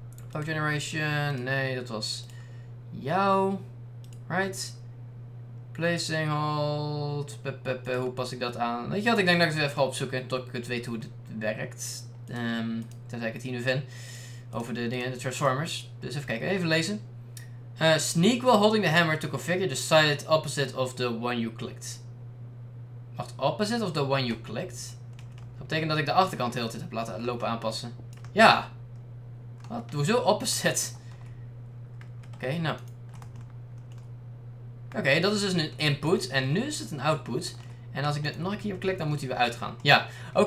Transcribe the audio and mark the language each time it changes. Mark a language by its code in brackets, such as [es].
[nl] Power generation. Nee, dat was jou. Right. Placing hold. Hoe pas ik dat aan? Weet je wat, ik denk dat ik het even ga opzoeken. Tot ik het weet hoe het werkt. Tenzij ik het hier nu vind. Over de dingen, de transformers. Dus even kijken, even lezen. [en] Sneak while holding the hammer to configure the side opposite of the one you clicked. Wacht, opposite of the one you clicked? [nl] Dat betekent dat ik de achterkant heel de tijd heb laten lopen aanpassen. Ja! Wat? Hoezo opposite? Oké, okay, nou. Oké, okay, dat is dus een input. En nu is het een output. En als ik dit nog een keer op klik, dan moet hij weer uitgaan. Ja, oké.